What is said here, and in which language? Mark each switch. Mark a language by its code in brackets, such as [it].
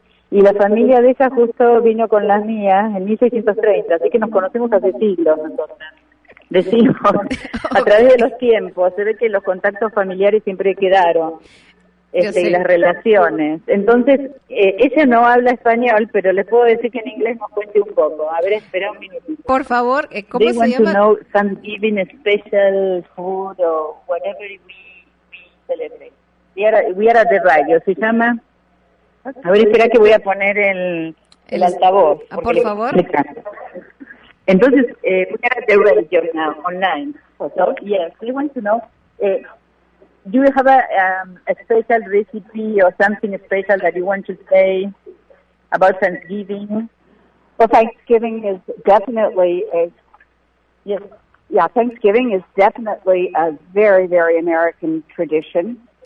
[es] Y la familia de ella justo vino con las mías en 1630, así que nos conocemos hace siglos, decimos, a través de los tiempos. Se ve que los contactos familiares siempre quedaron, y las relaciones. Entonces, ella no habla español, pero les puedo decir que en inglés nos cuente un poco. A ver, espera un minutito. Por favor, ¿cómo [en] They [es] se [en] want [es] llama? [en] To know Thanksgiving special food or whatever we celebrate. We are at the radio, [es] se llama... A ver, espera que voy a poner el altavoz. Por favor. Entonces, [en] we are at the radio now, online. So, yes, we want to know, do you have a special recipe or something special that you want to say about Thanksgiving? Well, Thanksgiving is definitely Thanksgiving is definitely a very, very American tradition.